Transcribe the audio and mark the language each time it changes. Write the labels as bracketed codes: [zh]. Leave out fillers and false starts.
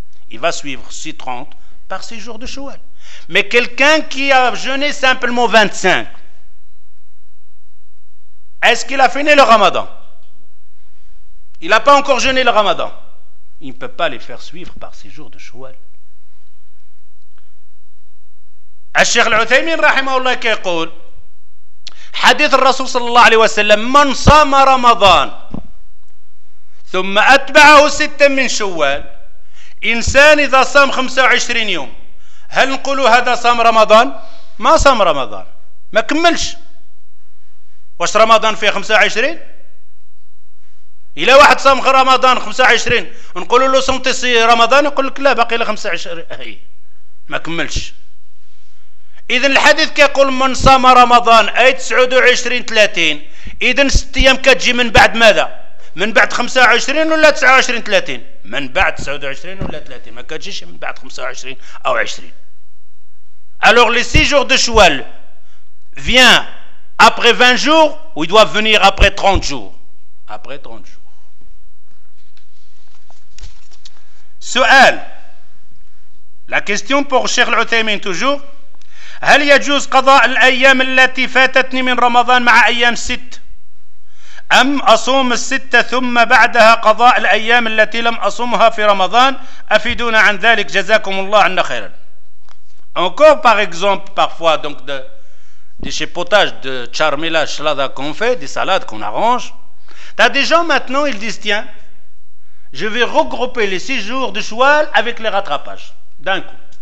[fr] Il va suivre 6-30 par 6 jours de Shoal. Mais quelqu'un qui a jeûné simplement 25, est-ce qu'il a fini le Ramadan? Il n'a pas encore jeûné le Ramadan. Il ne peut pas les faire suivre par 6 jours de Shoal. [ar] الشيخ العثيمين رحمه الله يقول حديث الرسول صلى الله عليه وسلم من صام رمضان ثم أتبعه ستا من شوال إنسان إذا صام 25 يوم هل نقول هذا صام رمضان؟ ما صام رمضان ما كملش واش رمضان فيه 25؟ إلى واحد صام رمضان 25 نقول له صمت رمضان يقول لك لا بقي له 25 ما كملش. إذن الحديث كيقول من صام رمضان أي 29-30 إذن 6 أيام كتجي من بعد ماذا؟ من بعد 25 ولا 29-30؟ من بعد 29 ولا 30 ما كتجيش من بعد 25 أو 20. [fr] Alors les 6 jours de Shawwal vient après 20 jours ou ils doivent venir après 30 jours? Après 30 jours. [ar] سؤال. [fr] La question pour Cheikh Al-Uthaymin toujours. [ar] هل يجوز قضاء الأيام التي فاتتني من رمضان مع أيام ست أم أصوم الستة ثم بعدها قضاء الأيام التي لم أصومها في رمضان أفيدونا عن ذلك جزاكم الله عنا خيرا. [fr] Encore par exemple parfois donc de chipotage de charmila chlada qu'on fait des salades qu'on arrange. T'as des gens maintenant ils disent tiens je vais regrouper les 6 jours de Shawwal avec les rattrapages d'un coup.